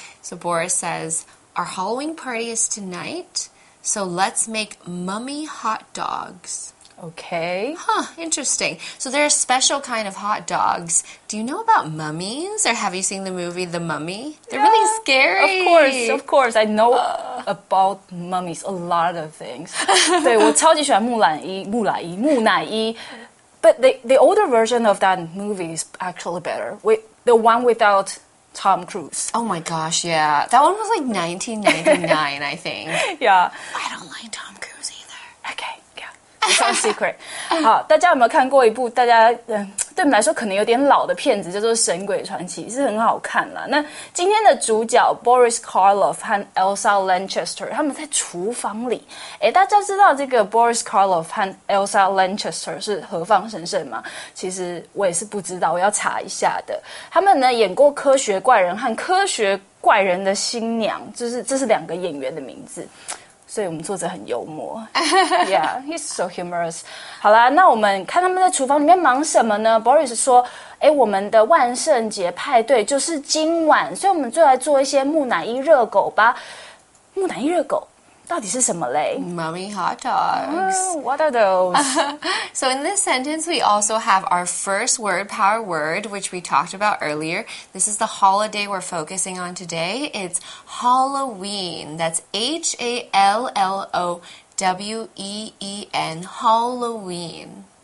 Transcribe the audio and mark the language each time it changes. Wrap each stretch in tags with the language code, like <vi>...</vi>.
<en>So Boris says, "Our Halloween party is tonight, so let's make mummy hot dogs." Okay. Huh, interesting. So they're a special kind of hot dogs. Do you know about mummies? Or have you seen the movie The Mummy? They're really Of scary. course, of course. I know about mummies, a lot of things.</en> <zh>对，我超级喜欢木乃伊，木乃伊，木乃伊。</zh> <en>But the older version of that movie is actually better. The one without Tom Cruise. Oh my gosh, yeah. That one was like 1999, I think. Yeah. I don't like Tom Cruise either. Okay, yeah. It's our secret.</en> <zh>好，大家有没有看过一部大家对我们来说可能有点老的片子，叫做《神鬼传奇》，是很好看啦。那今天的主角 Boris Karloff 和 Elsa Lanchester 他们在厨房里。诶，大家知道这个 Boris Karloff 和 Elsa Lanchester 是何方神圣吗？其实我也是不知道，我要查一下的。他们呢演过《科学怪人》和《科学怪人的新娘》，这是两个演员的名字。所以我们作者很幽默 ，</zh> <en>Yeah, he's so humorous.</en> <zh>好啦，那我们看他们在厨房里面忙什么呢 ？Boris 说：“哎，我们的万圣节派对就是今晚，所以我们就来做一些木乃伊热狗吧。木乃伊热狗，到底是什么嘞?</zh> <en>Mummy hot dogs. Oh, what are those? So in this sentence, we also have our first word, power word, which we talked about earlier. This is the holiday we're focusing on today. It's Halloween. That's H-A-L-L-O-W-E-E-N, Halloween.</en>